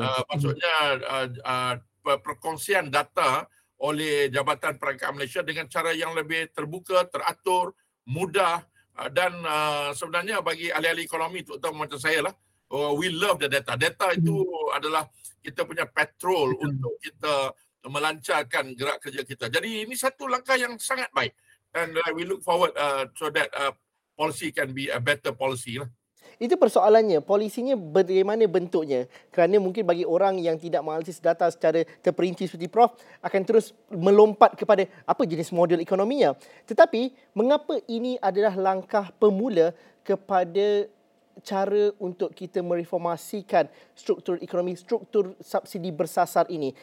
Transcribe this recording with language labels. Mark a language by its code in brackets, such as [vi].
[ms] Maksudnya, perkongsian data oleh Jabatan Perangkap Malaysia dengan cara yang lebih terbuka, teratur, mudah. Dan sebenarnya bagi ahli-ahli ekonomi, terutama macam saya lah, [en] we love the data. [ms] Data itu adalah kita punya petrol untuk kita melancarkan gerak kerja kita. Jadi ini satu langkah yang sangat baik. [en] And we look forward so that policy can be a better policy lah. [ms] Itu persoalannya, polisinya bagaimana bentuknya? Kerana mungkin bagi orang yang tidak menganalisis data secara terperinci seperti Prof, akan terus melompat kepada apa jenis model ekonominya. Tetapi, mengapa ini adalah langkah pemula kepada cara untuk kita mereformasikan struktur ekonomi, struktur subsidi bersasar ini?